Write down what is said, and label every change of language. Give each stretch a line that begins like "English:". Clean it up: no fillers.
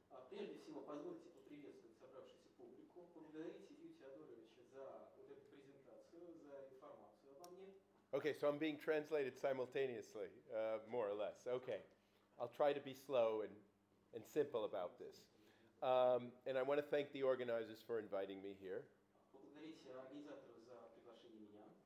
Russian: Прежде всего, позвольте поприветствовать собравшуюся публику, поблагодарить Илью Теодоровича за вот эту презентацию, за информацию обо мне.
English: Okay, so I'm being translated simultaneously, more or less. Okay, I'll try to be slow and simple about this. And I want to thank the organizers for inviting me here.
Russian: Поблагодарить организаторов за приглашение меня.